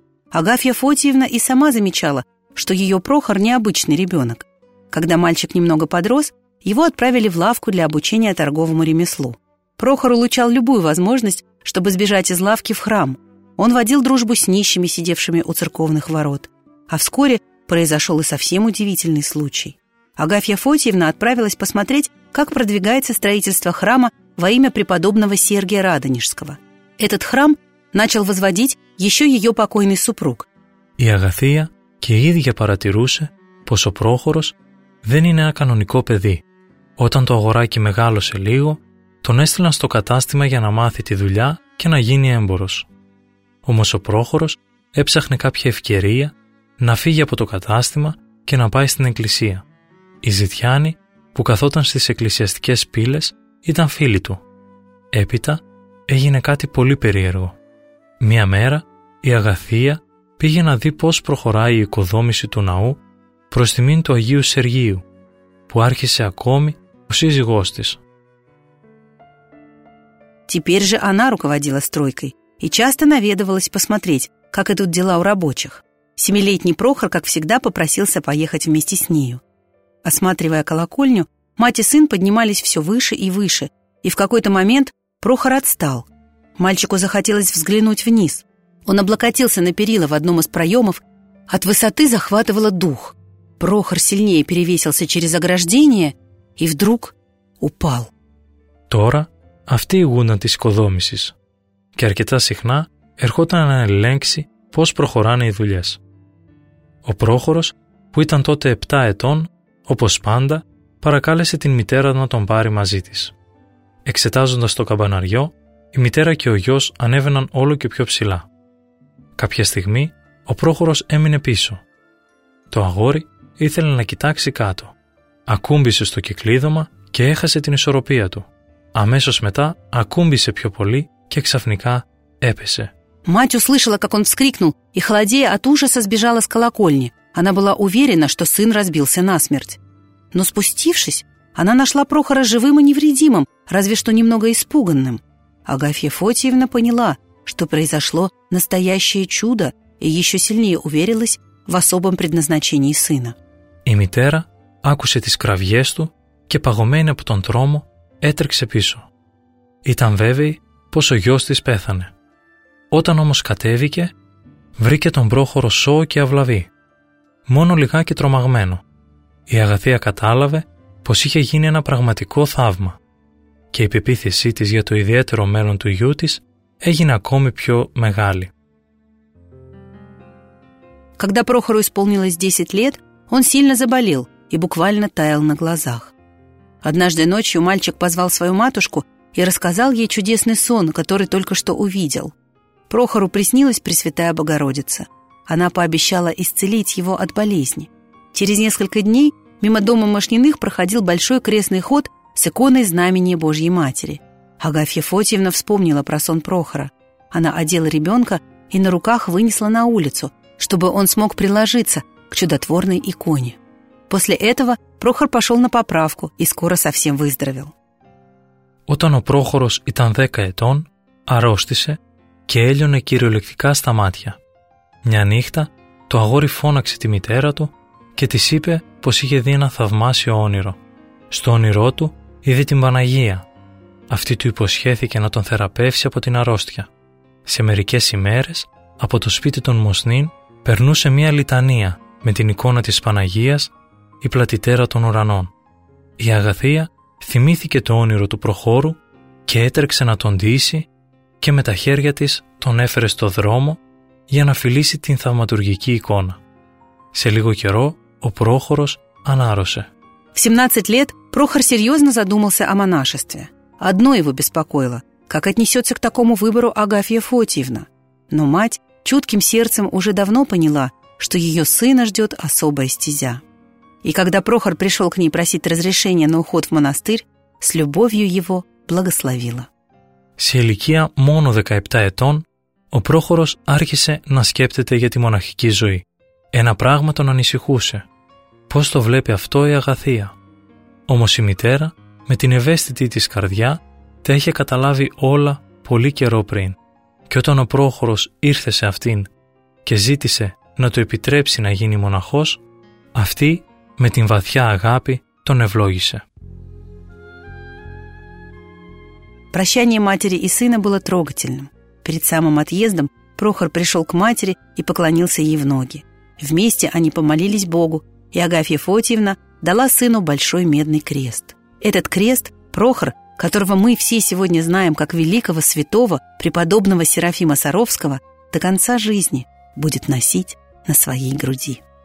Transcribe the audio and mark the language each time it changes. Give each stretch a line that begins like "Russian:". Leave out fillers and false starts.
Russian: Агафья Фотиевна и сама замечала, что ее Прохор необычный ребенок. Когда мальчик немного подрос, его отправили в лавку для обучения торговому ремеслу. Прохор улучал любую возможность, чтобы сбежать из лавки в храм. Он водил дружбу с нищими, сидевшими у церковных ворот. А вскоре произошел и совсем удивительный случай. Агафья Фотиевна отправилась посмотреть, как продвигается строительство храма во имя преподобного Сергия Радонежского. Этот храм начал возводить еще ее покойный супруг. И Агафья
Greek: και ίδια παρατηρούσε, πως ο Πρόχορος δεν είναι ένα κανονικό παιδί. Όταν το αγοράκι μεγάλωσε λίγο, τον έστειλαν στο κατάστημα για να μάθει τη δουλειά και να γίνει έμπορος. Όμως ο Πρόχορος έψαχνε κάποια ευκαιρία να φύγει από το κατάστημα και να πάει στην εκκλησία. Οι ζητιάνοι που καθόταν στις εκκλησιαστικές πύλες ήταν φίλοι του. Έπειτα έγινε κάτι πολύ περίεργο. Μία μέρα η Αγαθία πήγε να δει πώς προχωράει η οικοδόμηση του ναού προς τιμήν του Αγίου Σεργίου, που άρχισε ακόμη ο σύζυγός της.
Russian: Теперь же она руководила стройкой и часто наведывалась посмотреть, как идут дела у рабочих. Семилетний Прохор, как всегда, попросился поехать вместе с нею. Осматривая колокольню, мать и сын поднимались все выше и выше, и в какой-то момент Прохор отстал. Мальчику захотелось взглянуть вниз. Он облокотился на перила в одном из проемов. От высоты захватывало дух. Прохор сильнее перевесился через ограждение и вдруг упал.
Greek: Тора, αυτή η γούνα της οικοδόμησης. Και αρκετά συχνά ερχόταν να ελέγξει πώς προχωράνε οι δουλειές. Ο Πρόχορος, που ήταν τότε 7 ετών, όπως πάντα, παρακάλεσε την μητέρα να τον πάρει μαζί της. Εξετάζοντας το καμπαναριό, η μητέρα και ο γιος ανέβαιναν όλο και πιο ψηλά. Κάποια στιγμή, ο Πρόχορος έμεινε πίσω. Το αγόρι ήθελε να κοιτάξει κάτω. Ακούμπησε στο κυκλίδωμα και έχασε την ισορροπία του. Αμέσως μετά ακούμπησε πιο πολύ και ξαφνικά έπεσε.
Russian: Мать услышала, как он вскрикнул, и, холодея от ужаса, сбежала с колокольни. Она была уверена, что сын разбился насмерть. Но спустившись, она нашла Прохора живым и невредимым, разве что немного испуганным. Агафья Фотиевна поняла, что произошло настоящее чудо, и еще сильнее уверилась в особом предназначении сына.
Greek: Η μητέρα άκουσε τις κραυγές του και, παγωμένη από τον τρόμο, έτρεξε πίσω. ήταν βέβαιη πως ο γιος της πέθανε. Όταν όμως κατέβηκε, βρήκε τον πρόχωρο σώο και αυλαβή, μόνο λιγάκι τρομαγμένο. Η Αγαθία κατάλαβε πως είχε γίνει ένα πραγματικό θαύμα και η πεποίθησή της για το ιδιαίτερο μέλλον του γιού της έγινε ακόμη πιο μεγάλη.
Russian: Когда Прохору исполнилось 10 лет, он сильно заболел и буквально таял на глазах. Однажды ночью мальчик позвал свою матушку и рассказал ей чудесный сон, который только что увидел. Прохору приснилась Пресвятая Богородица. Она пообещала исцелить его от болезни. Через несколько дней мимо дома Машниных проходил большой крестный ход с иконой Знамения Божьей Матери. Агафья Фотиевна вспомнила про сон Прохора. Она одела ребенка и на руках вынесла на улицу, чтобы он смог приложиться к чудотворной иконе. После этого Прохор пошел на поправку и скоро совсем выздоровел.
Greek: Όταν ο Πρόχωρος ήταν 10 ετών, αρρώστησε και έλειωνε κυριολεκτικά στα μάτια. Μια νύχτα, το αγόρι φώναξε τη μητέρα του και της είπε πως είχε δει ένα θαυμάσιο όνειρο. Στο όνειρό του είδε την Παναγία. Αυτή του υποσχέθηκε να τον θεραπεύσει από την αρρώστια. Σε μερικές ημέρες, από το σπίτι των Μοσνίν περνούσε μια λιτανία με την εικόνα της Παναγίας, η πλατητέρα των ουρανών. Η Αγαθία θυμήθηκε το όνειρο του Προχώρου και έτρεξε να τον ντύσει και με τα χέρια της τον έφερε στο δρόμο για να φιλήσει την θαυματουργική εικόνα. Σε λίγο καιρό ο Πρόχωρος ανάρρωσε.
Russian: В 17 лет Прохор серьезно задумался о монашестве. Одно его беспокоило, как отнесется к такому выбору Агафья Фотиевна. Но мать чутким сердцем уже давно поняла, что ее сына ждет особая стезя. И когда Прохор пришел к ней просить разрешения на уход в монастырь, с любовью его благословила.
Greek: Σε ηλικία μόνο 17 ετών, ο Πρόχωρος άρχισε να σκέπτεται για τη μοναχική ζωή. Ένα πράγμα τον ανησυχούσε. Πώς το βλέπει αυτό η Αγαθία? Όμως η μητέρα, με την ευαίσθητη της καρδιά, τα είχε καταλάβει όλα πολύ καιρό πριν. Και όταν ο Πρόχωρος ήρθε σε αυτήν και ζήτησε να το επιτρέψει να γίνει μοναχός, αυτή με την βαθιά αγάπη τον ευλόγησε.
Russian: Прощание матери и сына было трогательным. Перед самым отъездом Прохор пришел к матери и поклонился ей в ноги. Вместе они помолились Богу, и Агафья Фотиевна дала сыну большой медный крест. Этот крест Прохор, которого мы все сегодня знаем как великого святого, преподобного Серафима Саровского, до конца жизни будет носить на своей груди.